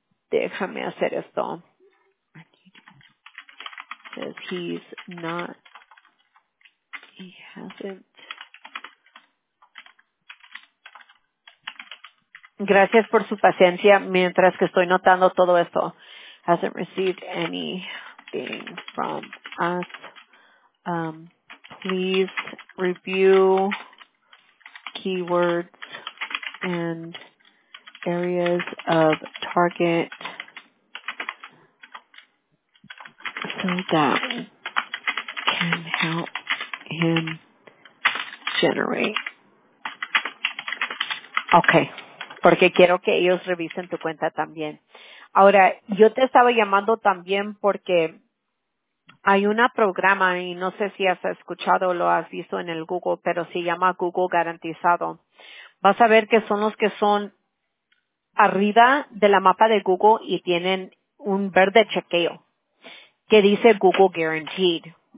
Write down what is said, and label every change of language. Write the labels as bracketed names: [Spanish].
[Spanish] Déjame hacer esto. [English] Says he's not, he hasn't [Spanish] Gracias por su paciencia mientras que estoy notando todo esto. [English] Hasn't received anything from us. Please review keywords and areas of target so that can help him generate. Okay. [Spanish] Porque quiero que ellos revisen tu cuenta también. Ahora, yo te estaba llamando también porque hay un programa, y no sé si has escuchado o lo has visto en el Google, pero se llama Google Garantizado. Vas a ver que son los que son arriba de la mapa de Google y tienen un verde chequeo que dice Google Guaranteed.